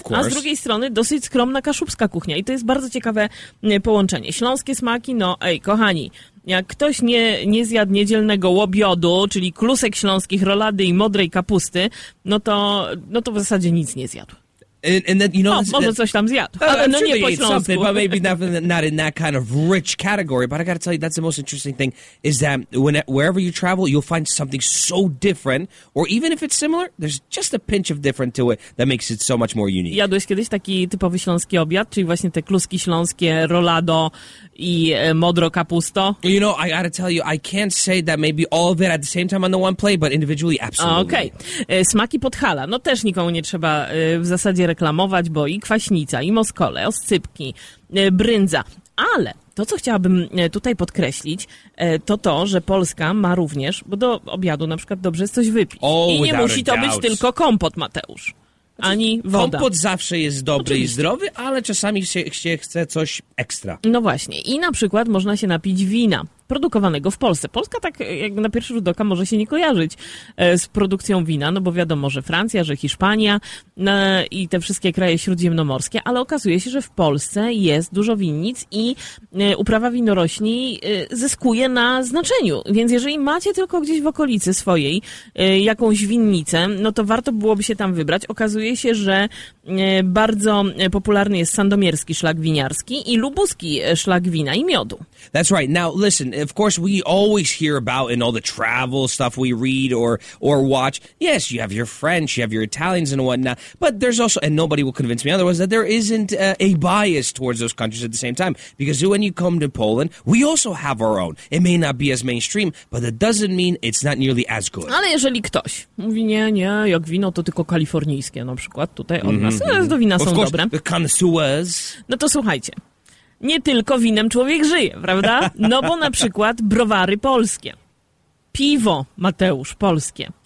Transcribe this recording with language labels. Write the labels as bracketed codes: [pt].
[pl] A z drugiej strony dosyć skromna kaszubska kuchnia i to jest bardzo ciekawe połączenie. Śląskie smaki, no ej, kochani, jak ktoś nie zjadł niedzielnego łobiodu, czyli klusek śląskich, rolady i modrej kapusty, no to w zasadzie nic nie zjadł. [en] And then, you know, [pl] może coś tam zjadł, ale no [en] sure [pl] nie po śląsku. [en] Something, but maybe not in that kind of rich category. But I gotta tell you, that's the most interesting thing, is that wherever you travel, you'll find something so different, or even if it's similar, there's just a pinch of different to it that makes it so much more unique. [pl] Jadłeś kiedyś taki typowy śląski obiad, czyli właśnie te kluski śląskie, rolado i modro kapusto? [en] You know, I gotta tell you, I can't say that maybe all of it at the same time on the one plate, but individually, absolutely. [pl] Okay. Smaki Podhala. No też nikomu nie trzeba w zasadzie reklamować, bo i kwaśnica, i moskole, oscypki, brindza. Ale to, co chciałabym tutaj podkreślić, to, że Polska ma również, bo do obiadu na przykład dobrze jest coś wypić. [en] Oh, [pl] i nie musi to być tylko kompot, Mateusz. Ani woda. Kompot zawsze jest dobry. Oczywiście. I zdrowy, ale czasami się chce coś ekstra. No właśnie. I na przykład można się napić wina produkowanego w Polsce. Polska tak jakby na pierwszy rzut oka może się nie kojarzyć z produkcją wina, no bo wiadomo, że Francja, że Hiszpania i te wszystkie kraje śródziemnomorskie, ale okazuje się, że w Polsce jest dużo winnic i uprawa winorośli zyskuje na znaczeniu. Więc jeżeli macie tylko gdzieś w okolicy swojej jakąś winnicę, no to warto byłoby się tam wybrać. Okazuje się, że bardzo popularny jest sandomierski szlak winiarski i lubuski szlak wina i miodu. [en] That's right. Now listen, of course, we always hear about in all the travel stuff we read or watch. Yes, you have your French, you have your Italians and whatnot. But there's also, and nobody will convince me otherwise, that there isn't a bias towards those countries at the same time. Because when you come to Poland, we also have our own. It may not be as mainstream, but that doesn't mean it's not nearly as good. [pl] Ale jeżeli ktoś mówi, nie, nie, jak wino, to tylko kalifornijskie, na przykład tutaj od nas. Mm-hmm. Do wina są [en] course, [pl] dobre. [en] The connoisseurs. [pl] No to słuchajcie. Nie tylko winem człowiek żyje, prawda? No bo na przykład browary polskie. Piwo, Mateusz, polskie.